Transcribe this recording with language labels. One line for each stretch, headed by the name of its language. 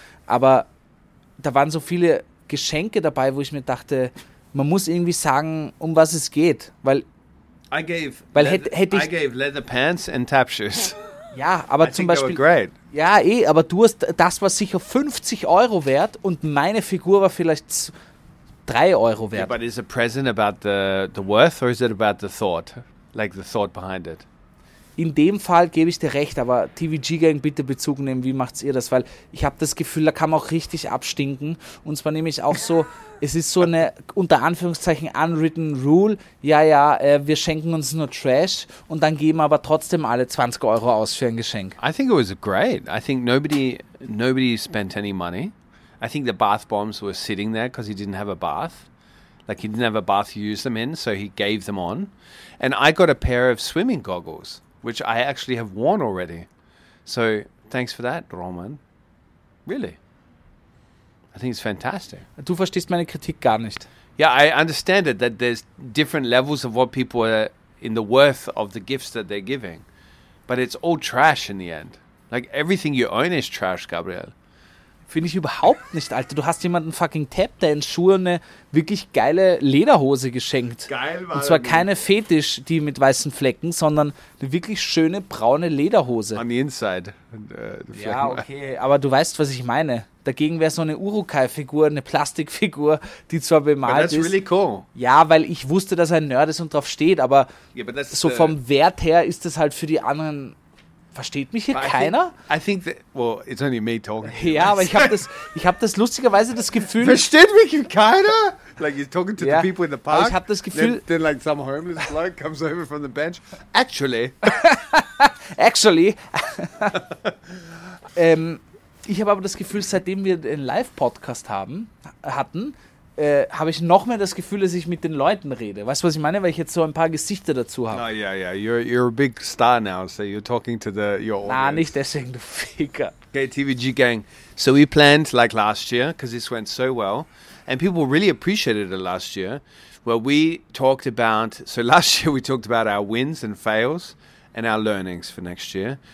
German: Aber da waren so viele Geschenke dabei, wo ich mir dachte, man muss irgendwie sagen, um was es geht.
English: I gave leather pants and tap shoes.
German: Ja, aber zum Beispiel... Ja, aber du hast... Das war sicher 50 Euro wert und meine Figur war vielleicht... 3 Euro wert.
English: Yeah, but is a present about the worth or is it about the thought? Like the thought behind it?
German: In dem Fall gebe ich dir recht, aber TVG-Gang, bitte Bezug nehmen, wie macht ihr das? Weil ich habe das Gefühl, da kann man auch richtig abstinken. Und zwar nehme ich auch so, es ist so eine, unter Anführungszeichen,
English: unwritten Rule.
German: Ja, ja, wir schenken uns nur Trash und dann geben aber trotzdem alle 20 Euro aus für ein Geschenk.
English: I think it was great. I think nobody spent any money. I think the bath bombs were sitting there because he didn't have a bath. Like he didn't have a bath to use them in, so he gave them on. And I got a pair of swimming goggles, which I actually have worn already. So thanks for that, Roman. Really. I think it's fantastic.
German: Du verstehst meine Kritik gar nicht.
English: Yeah, I understand it, that there's different levels of what people are in the worth of the gifts that they're giving. But it's all trash in the end. Like everything you own is trash, Gabriel.
German: Finde ich überhaupt nicht, Alter. Du hast jemanden fucking Tap, der in Schuhe eine wirklich geile Lederhose geschenkt. Geil, und zwar keine Fetisch, die mit weißen Flecken, sondern eine wirklich schöne braune Lederhose.
English: On the inside.
German: Ja, okay. Aber du weißt, was ich meine. Dagegen wäre so eine Urukai-Figur, eine Plastikfigur, die zwar bemalt
English: ist. Really cool.
German: Ja, weil ich wusste, dass er ein Nerd ist und drauf steht. Aber
English: yeah,
German: so vom Wert her ist das halt für die anderen... Versteht mich hier keiner?
English: I think that, it's only me talking.
German: Ja, aber ich hab das lustigerweise das Gefühl... Versteht mich hier keiner?
English: Like you're talking to the people in the park.
German: Aber ich hab das Gefühl...
English: Then like some homeless bloke comes over from the bench. Actually. Actually.
German: ich habe aber das Gefühl, seitdem wir den Live-Podcast hatten, habe ich noch mehr das Gefühl, dass ich mit den Leuten rede. Weißt du, was ich meine? Weil ich jetzt so ein paar Gesichter dazu habe.
English: Oh, yeah, yeah. You're a big star now, so you're talking to your
German: audience. Nah, nicht deswegen, du Ficker. Okay, TVG Gang.
English: So we planned like last year, because this went so well. And people really appreciated it last year. Well, we talked about... So last year we talked about our wins and fails and our learnings for next year.